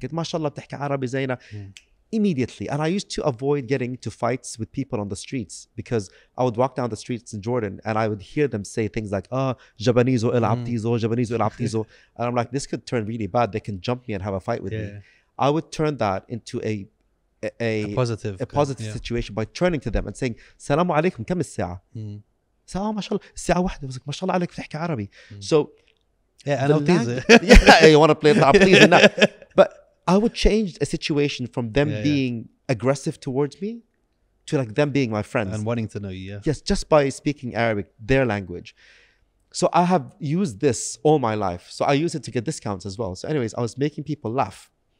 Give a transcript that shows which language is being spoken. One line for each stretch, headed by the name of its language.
English: And I get,
Arabic: mashallah, بتحكي عربي زينا.
English: Immediately. And I used to avoid getting into fights with people on the streets because I would walk down the streets in Jordan and I would hear them say things like, oh,
Arabic: Jabanizo il Abtizo, Jabanizo il Abtizo.
English: And I'm like, this could turn really bad. They can jump me and have a fight with me. I would turn that into a positive situation by turning to them and saying,
Arabic: Salamu alaikum, kam is sa'a? So, ما شاء الله, الساعة واحدة.
English: I was like,
Arabic: ما شاء الله عليك, بتحكي عربي.
English: So, yeah, and I'll tease it. Yeah, you want to play it? Please, no. But I would change a situation from them being aggressive towards me to like them being my friends and wanting to know you. Yeah. Yes, just by speaking Arabic, their language. So I have used this all my life. So I use it to get discounts as well. So anyways, I was making people laugh.